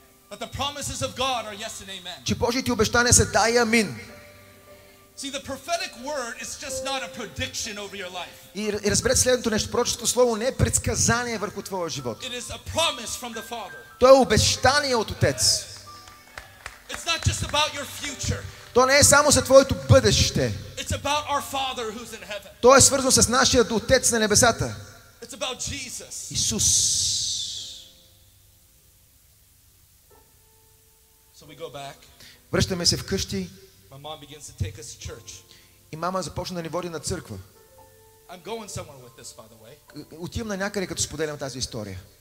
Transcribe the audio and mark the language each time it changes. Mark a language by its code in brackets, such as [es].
[en] But the promises of God are yes and amen. [bg] Че Божиите обещания са да и амин. [en] See, the prophetic word is just not a prediction over your life. [bg] И разберете следното нещо. Пророческото слово не е предсказание върху твоя живот. [en] It is a promise from the Father. [bg] То е обещание от Отец. [en] It's not just about your future. [bg] То не е само за твоето бъдеще. [en] It's about our Father who's in heaven. [bg] То е свързано с нашия Отец на небесата. [en] It's about Jesus. [bg] Исус. [en] So we go back. [bg] Връщаме се вкъщи. [en] My mom begins to take us to church. [bg] И мама започна да ни води на църква. [en] I'm going somewhere with this, by the way. [bg] Отивам на някъде, като споделям тази история.